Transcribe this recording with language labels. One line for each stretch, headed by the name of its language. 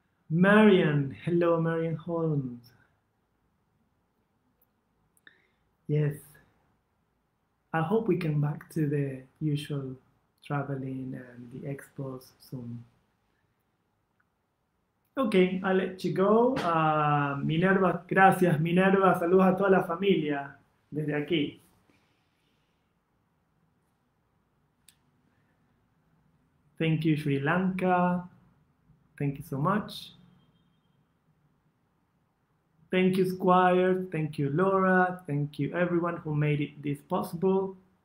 English: Marian, hello Marian Holmes. Yes, I hope we can back to the usual traveling and the expos soon. Okay, I'll let you go.
Spanish: Minerva, gracias Minerva, saludos a toda la familia desde aquí.
English: Thank you Sri Lanka, thank you so much. Thank you, Squire. Thank you, Laura. Thank you, everyone who made this possible.